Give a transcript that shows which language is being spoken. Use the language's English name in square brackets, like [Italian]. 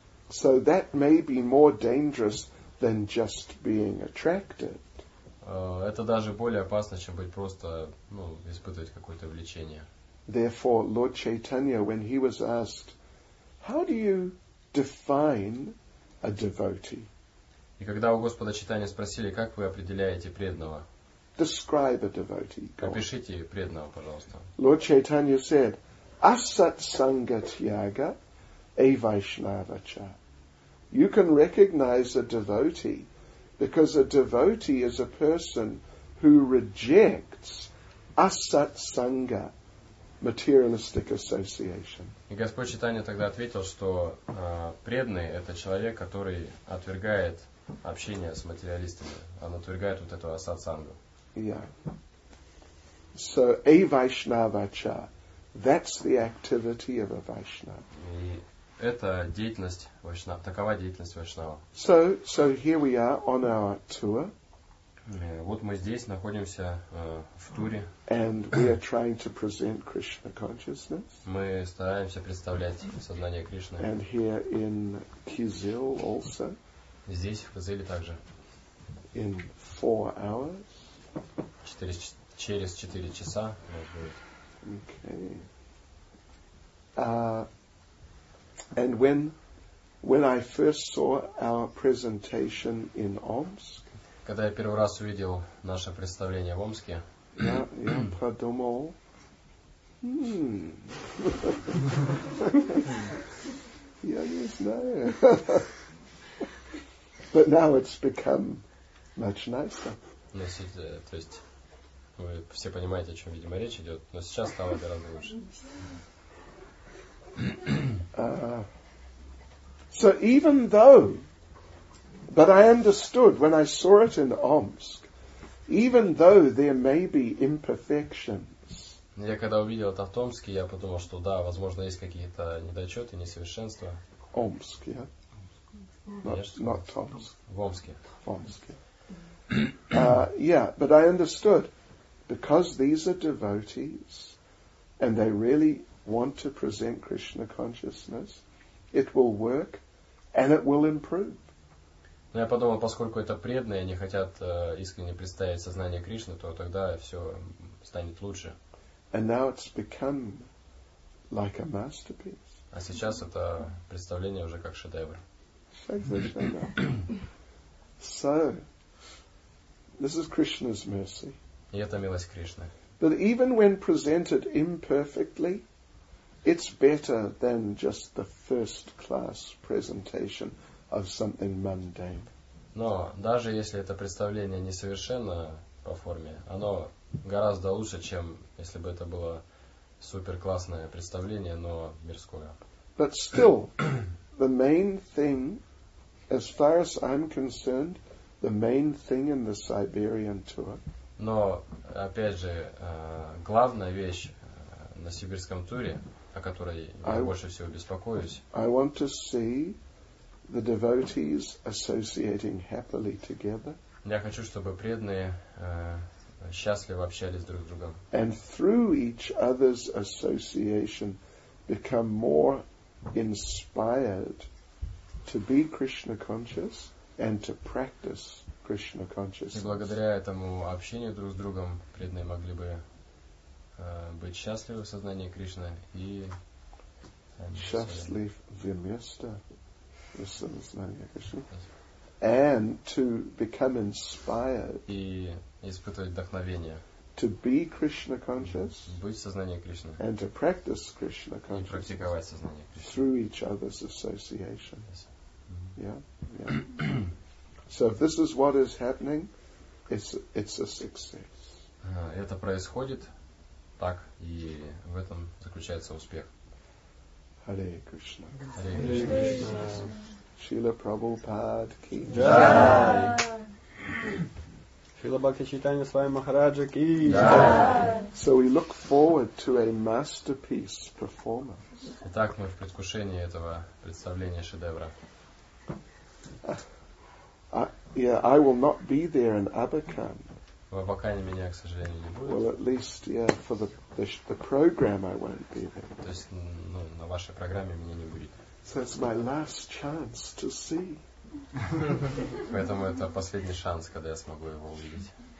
[English] So that may be more dangerous than just being attracted. [Russian] Это даже более опасно, чем быть просто, ну, испытывать какое-то влечение. [English] Therefore, Lord Chaitanya, when he was asked, how do you define a devotee? [Russian] И когда у Господа Чайтанья спросили, как вы определяете преданного? [English] Describe a devotee. [Russian] Опишите преданного, пожалуйста. [English] Lord Chaitanya said, [Sanskrit] asat sanga tyaga. A Vaishnavacha. [English] You can recognize a devotee because a devotee is a person who rejects asat sangha, materialistic association. [Russian] И Господь Чайтанья тогда ответил, что преданный это человек, который отвергает общение с материалистами. Он отвергает вот эту асат сангу. [English] Yeah. So a Vaishnavacha. That's the activity of a Vaishnava. [Russian] Это деятельность Вайшнава, такова деятельность Вайшнава. [English] So here we are on our tour. [Russian] Вот мы здесь находимся в туре. [English] And we are trying to present Krishna consciousness. [Russian] Мы стараемся представлять сознание Кришны. [English] And here in Kizil also. [Russian] Здесь, в Кизиле также. [English] In 4 hours. [Russian] Через 4 часа. [English] Okay. And when I first saw our presentation in Omsk, [Russian] когда я первый раз увидел наше представление в Омске, я подумал, я не знаю, [English] but now it's become much nicer. [Russian] Но то есть вы все понимаете, о чем, видимо, речь идет, но сейчас стало гораздо лучше. [English] So even though, but I understood when I saw it in Omsk, even though there may be imperfections. [Russian] Я когда увидел это в Томске, я подумал, что да, возможно, есть какие-то недочеты, несовершенства. [English] Омск, yeah. Not Томск. [Russian] В Омске. В Омске. [English] Yeah, but I understood because these are devotees, and they really want to present Krishna consciousness, it will work and it will improve. [Russian] Но я подумал, поскольку это преданные, они хотят искренне представить сознание Кришны, то тогда все станет лучше. [English] And now it's become like a masterpiece. [Russian] А сейчас это представление уже как шедевр. [English] So, this is Krishna's mercy. [Russian] И это милость Кришны. [English] But even when presented imperfectly, it's better than just the first class presentation of something mundane. [Russian] Но даже если это представление несовершенно по форме, оно гораздо лучше, чем если бы это было супер классное представление, но мирское. [English] But still, the main thing, as far as I'm concerned, the main thing in the Siberian tour. [Russian] Но опять же, главная вещь на сибирском туре, о которой я больше всего беспокоюсь. [English] I want to see the devotees associating happily together. [Russian] Я хочу, чтобы преданные счастливо общались друг с другом. [English] And through each other's association become more inspired to be Krishna conscious and to practice Krishna consciousness. [Russian] И благодаря этому общению друг с другом преданные могли бы быть счастливы в сознании Кришны и счастлив вместо сознания Кришны. [English] And to become inspired. [Russian] И испытывать вдохновение. [English] To be Krishna conscious. [Russian] Быть в сознании Кришны. [English] And to practice Krishna consciousness. [Russian] И практиковать сознание Кришны. [English] Through each other's association. Yes. Mm-hmm. Yeah. Yeah. So if this is what is happening, it's a success. [Russian] Это происходит так, и в этом заключается успех. [Sanskrit] Hare Krishna. Hare Krishna. Hare Krishna. Hare Krishna. Srila Prabhupada ki jai. Srila Bhakti Chaitanya Swami Maharaja ki jai. [English] So we look forward to a masterpiece performance. [Russian] Итак, мы в предвкушении этого представления шедевра. [English] I will not be there in Abakan. [Russian] В Абакане меня, к сожалению, не будет. [English] Well, at least, yeah, for the program I won't be there. [Russian] То есть, ну, на вашей программе меня не будет. [English] So it's my last chance to see. [Russian] Поэтому это последний шанс, когда я смогу его увидеть.